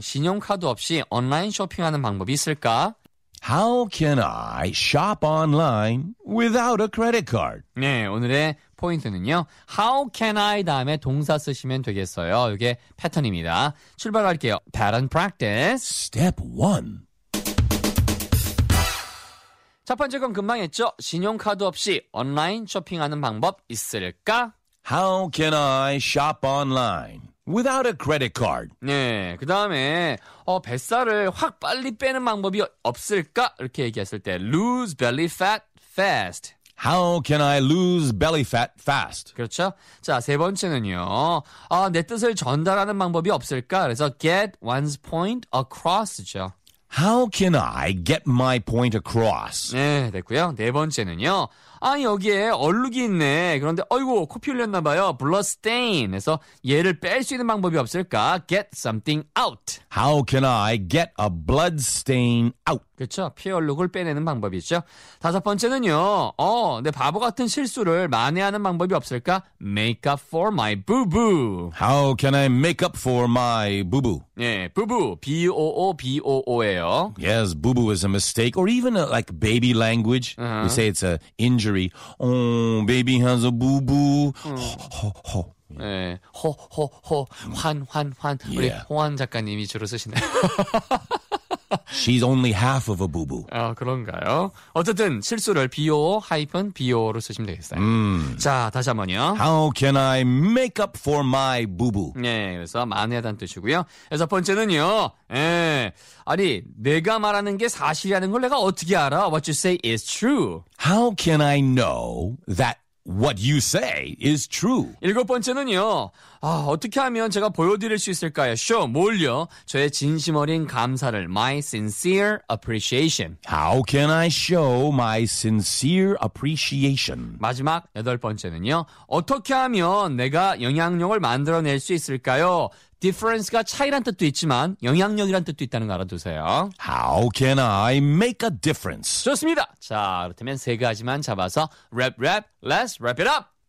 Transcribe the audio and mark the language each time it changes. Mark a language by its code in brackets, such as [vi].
[ko] 신용카드 없이 온라인 쇼핑하는 방법이 있을까? [en] How can I shop online without a credit card? [ko] 네, 오늘의 포인트는요. [en] How can I [ko] 다음에 동사 쓰시면 되겠어요. 이게 패턴입니다. 출발할게요. [en] Pattern practice. Step 1. [ko] 첫 번째 건 금방 했죠. 신용카드 없이 온라인 쇼핑하는 방법 있을까? [en] How can I shop online without a credit card? [ko] 네, 그 다음에 뱃살을 확 빨리 빼는 방법이 없을까? 이렇게 얘기했을 때 [en] lose belly fat fast. How can I lose belly fat fast? [ko] 그렇죠. 자, 세 번째는요. 내 뜻을 전달하는 방법이 없을까? 그래서 [en] get one's point across죠. How can I get my point across? [ko] 네, 됐고요. 네 번째는요. 아, 여기에 얼룩이 있네. 그런데 어이구, 코피 흘렸나 봐요. [en] Blood stain. [ko] 해서 얘를 뺄 수 있는 방법이 없을까? [en] Get something out. How can I get a blood stain out? [ko] 그렇죠. 피 얼룩을 빼내는 방법이죠. 다섯 번째는요. 내 바보 같은 실수를 만회하는 방법이 없을까? [en] Make up for my boo-boo. How can I make up for my boo-boo? [ko] 네, boo-boo. B-O-O-B-O-O예요. [en] Yes, boo-boo is a mistake. Or even a, like baby language. Uh-huh. We say it's a injury. Oh, baby has a boo-boo. Uh-huh. Ho, ho, ho. [ko] 네, 호호호 환환환 yeah. 우리 호환 작가님이 주로 쓰시네요. [en] She's only half of a boo-boo. [ko] 아, 그런가요? 어쨌든 실수를 BO-BO로 쓰시면 되겠어요. 자, 다시 한번요. [en] How can I make up for my boo-boo? [ko] 네, 그래서 만회하다는 뜻이고요. 여섯 번째는요. 네, 아니, 내가 말하는 게 사실이라는 걸 내가 어떻게 알아? [en] What you say is true. How can I know that what you say is true. [ko] 일곱 번째는요. 아, 어떻게 하면 제가 보여드릴 수 있을까요? [en] Show, [ko] 뭘요? 저의 진심 어린 감사를. [en] My sincere appreciation. How can I show my sincere appreciation? [ko] 마지막 여덟 번째는요. 어떻게 하면 내가 영향력을 만들어낼 수 있을까요? Difference가 차이란 뜻도 있지만 영향력이란 뜻도 있다는 거 알아두세요. [en] How can I make a difference? [ko] 좋습니다. 자, 그렇다면 세 가지만 잡아서 랩 랩, [en] let's wrap it up.